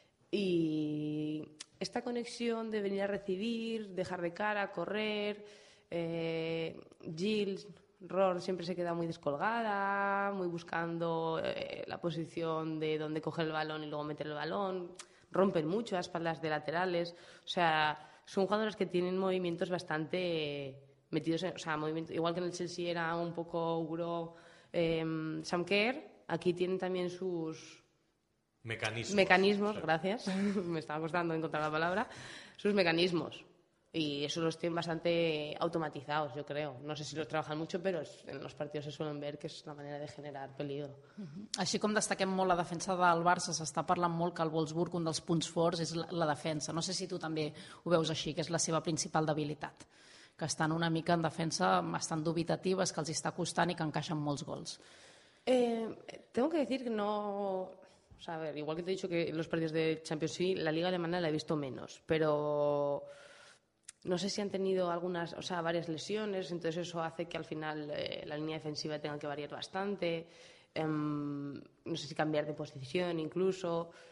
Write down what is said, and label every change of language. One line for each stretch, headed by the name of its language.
Spanish: Y esta conexión de venir a recibir, dejar de cara, correr, Jill, Ror siempre se queda muy descolgada, muy buscando la posición de dónde coger el balón y luego meter el balón, rompen mucho a espaldas de laterales, o sea, son jugadoras que tienen movimientos bastante metidos, en, o sea, movimiento, igual que en el Chelsea era un poco Uro, Sam Kerr, aquí tienen también sus mecanismos, sí. Gracias, me estaba costando encontrar la palabra, sus mecanismos, y eso los tienen bastante automatizados, yo creo. No sé si los trabajan mucho, pero en los partidos se suelen ver que es una manera de generar peligro.
Catalan: Així com destaquem molt la defensa del Barça, s'està parlant molt que el Wolfsburg, un dels punts forts, és la defensa. No sé si tu també ho veus així, que és la seva principal debilitat, que estan una mica en defensa bastant dubitatives, que els està costant i que encaixen molts gols.
Spanish: Tengo que decir que no... O sea, a ver, igual que te he dicho que los partidos de Champions, sí, la Liga Alemana la he visto menos, pero... No sé si han tenido algunas, o sea, varias lesiones, entonces eso hace que al final la línea defensiva tenga que variar bastante. No sé si cambiar de posición incluso.